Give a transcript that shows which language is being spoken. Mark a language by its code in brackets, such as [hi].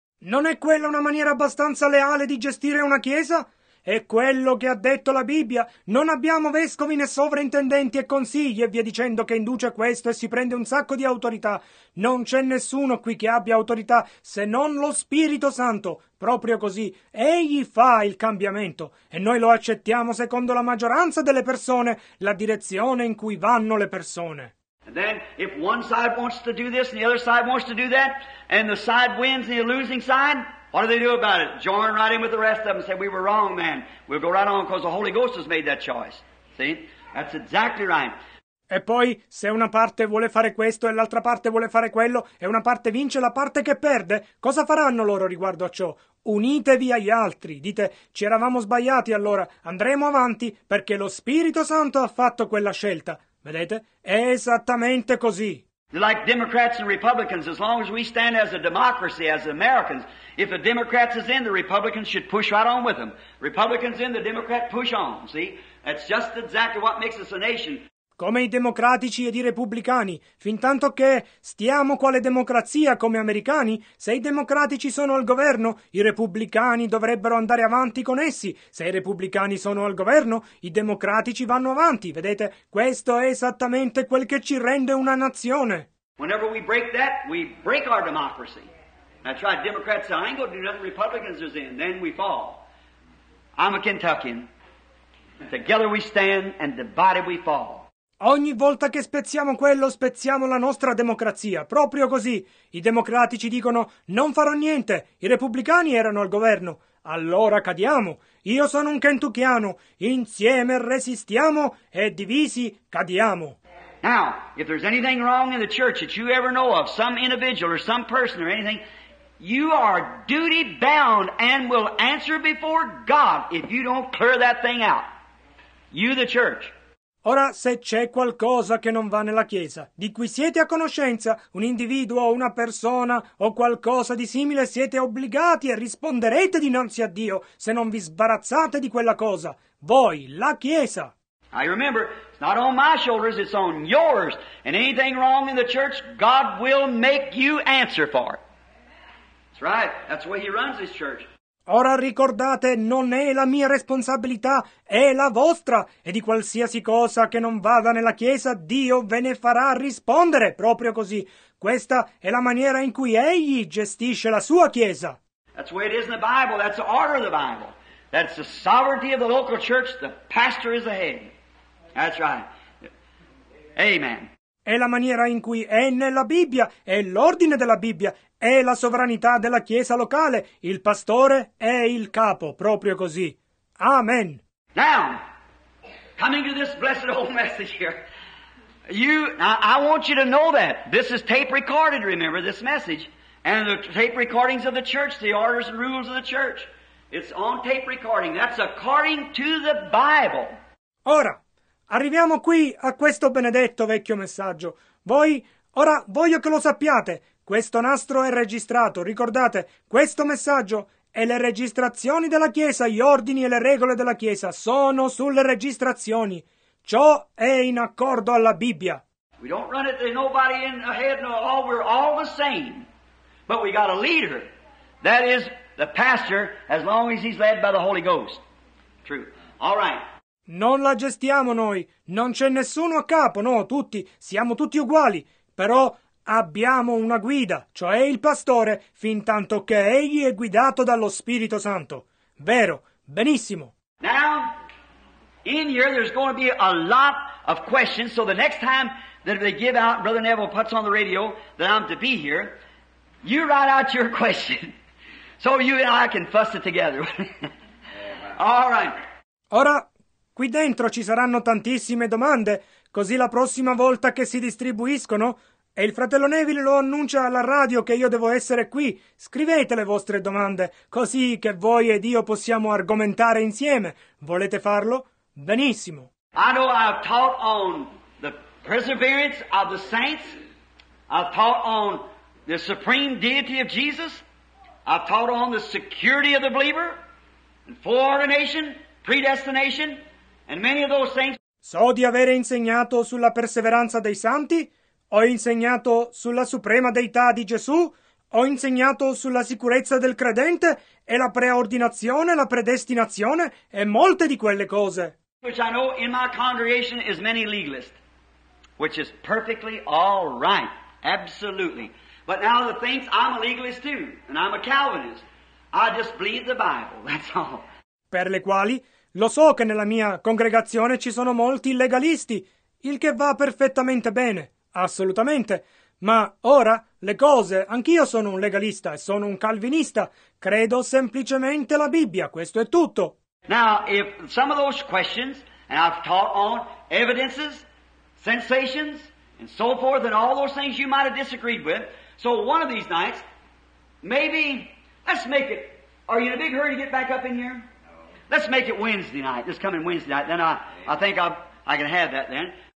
[it] Non è quella una maniera abbastanza leale di gestire una chiesa? È quello che ha detto la Bibbia. Non abbiamo vescovi né sovrintendenti e consigli e via dicendo che induce questo e si prende un sacco di autorità. Non c'è nessuno qui che abbia autorità se non lo Spirito Santo. Proprio così. Egli fa il cambiamento e noi lo accettiamo secondo la maggioranza delle persone, la direzione in cui vanno le persone. [en] And then if one side wants to do this and the other side wants to do that and the side wins and the losing side, what do they do about it? Join right in with the rest of them and say, we were wrong, man. We'll go right on because the Holy Ghost has made that choice. See? That's exactly right. [it] E poi, se una parte vuole fare questo e l'altra parte vuole fare quello, e una parte vince la parte che perde, cosa faranno loro riguardo a ciò? Unitevi agli altri. Dite, ci eravamo sbagliati allora, andremo avanti perché lo Spirito Santo ha fatto quella scelta. Vedete? È esattamente così. [en] Like Democrats and Republicans, as long as we stand as a democracy, as Americans, if the Democrats is in, the Republicans should push right on with them. Republicans in, the Democrat push on, see? That's just exactly what makes us a nation. [it] Come i democratici ed i repubblicani, fin tanto che stiamo quale democrazia come americani, se i democratici sono al governo, i repubblicani dovrebbero andare avanti con essi. Se i repubblicani sono al governo, i democratici vanno avanti. Vedete, questo è esattamente quel che ci rende una nazione. [en] Whenever we break that, we break our democracy. That's right, Democrats say, I ain't gonna do nothing, Republicans are in, then we fall. I'm a Kentuckian. Together we stand and divided we fall. [it] Ogni volta che spezziamo quello, spezziamo la nostra democrazia. Proprio così. I democratici dicono, non farò niente. I repubblicani erano al governo. Allora cadiamo. Io sono un kentuchiano. Insieme resistiamo e divisi cadiamo. [en] Now, if there's anything wrong in the church that you ever know of, some individual or some person or anything, you are duty bound and will answer before God if you don't clear that thing out. You, the church. [it] Ora, se c'è qualcosa che non va nella Chiesa, di cui siete a conoscenza, un individuo, una persona o qualcosa di simile, siete obbligati e risponderete dinanzi a Dio se non vi sbarazzate di quella cosa. Voi, la Chiesa. [en] I remember, it's not on my shoulders, it's on yours. And anything wrong in the church, God will make you answer for it. That's right, that's the way he runs his church. [it] Ora ricordate, non è la mia responsabilità, è la vostra, e di qualsiasi cosa che non vada nella Chiesa, Dio ve ne farà rispondere, proprio così. Questa è la maniera in cui Egli gestisce la sua Chiesa. [en] That's the way it is in the Bible, that's the order of the Bible. That's the sovereignty of the local church, the pastor is the head. That's right. Amen. [it] È la maniera in cui è nella Bibbia, è l'ordine della Bibbia, è la sovranità della Chiesa locale, il pastore è il capo, proprio così. Amen. [en] Now, coming to this blessed old message here, I want you to know that. This is tape recorded, remember, this message. And the tape recordings of the church, the orders and rules of the church. It's on tape recording. That's according to the Bible. [it] Ora, arriviamo qui a questo benedetto vecchio messaggio. Ora voglio che lo sappiate. Questo nastro è registrato. Ricordate, questo messaggio e le registrazioni della Chiesa, gli ordini e le regole della Chiesa sono sulle registrazioni. Ciò è in accordo alla Bibbia. [en] We don't run it to nobody in the head, no, all, we're all the same. But we got a leader. That is the pastor, as long as he's led by the Holy Ghost. True. All right. [it] Non la gestiamo noi, non c'è nessuno a capo, no, tutti, siamo tutti uguali, però abbiamo una guida, cioè il pastore, fin tanto che egli è guidato dallo Spirito Santo. Vero, benissimo. [en] Now, in here there's going to be a lot of questions, so the next time that they give out, Brother Neville puts on the radio that I'm to be here, you write out your question, so you and I can fuss it together. All right. [it] Ora, qui dentro ci saranno tantissime domande, così la prossima volta che si distribuiscono, e il fratello Neville lo annuncia alla radio che io devo essere qui, scrivete le vostre domande, così che voi ed io possiamo argomentare insieme. Volete farlo? Benissimo. [en] I know I've taught on the perseverance of the saints, I've taught on the supreme deity of Jesus, I've taught on the security of the believer, and foreordination, predestination, and many of those things. [it] So di avere insegnato sulla perseveranza dei santi, ho insegnato sulla suprema deità di Gesù, ho insegnato sulla sicurezza del credente e la preordinazione, la predestinazione e molte di quelle cose. [en] Which I know in my congregation is many legalists, which is perfectly all right, absolutely. But now the things, I'm a legalist too, and I'm a Calvinist. I just believe the Bible, that's all. [it] Per le quali lo so che nella mia congregazione ci sono molti legalisti, il che va perfettamente bene, assolutamente. Ma ora le cose, anch'io sono un legalista e sono un calvinista, credo semplicemente la Bibbia, questo è tutto. [en] Now, if some of those questions, and I've taught on evidences, sensations, and so forth, and all those things you might have disagreed with, so one of these nights, maybe, let's make it, are you in a big hurry to get back up in here? Let's make it Wednesday night, this coming Wednesday night, then I think I can have that then.